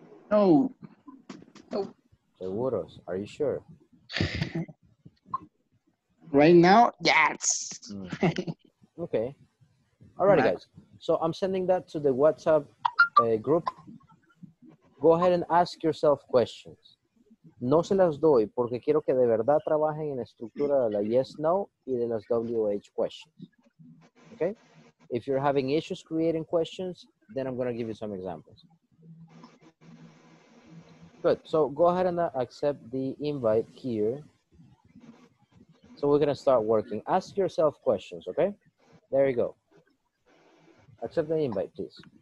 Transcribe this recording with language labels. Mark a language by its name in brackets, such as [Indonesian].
[English] No. Seguros, are you sure? Right now, yes. Okay. All right, guys. So I'm sending that to the WhatsApp group. Go ahead and ask yourself questions. [Spanish] No se las doy porque quiero que de verdad trabajen en la estructura de la yes, no y de las WH questions. [English] Okay? If you're having issues creating questions, then I'm going to give you some examples. Good. So go ahead and accept the invite here. So we're going to start working. Ask yourself questions, okay? There you go. Accept the invite, please.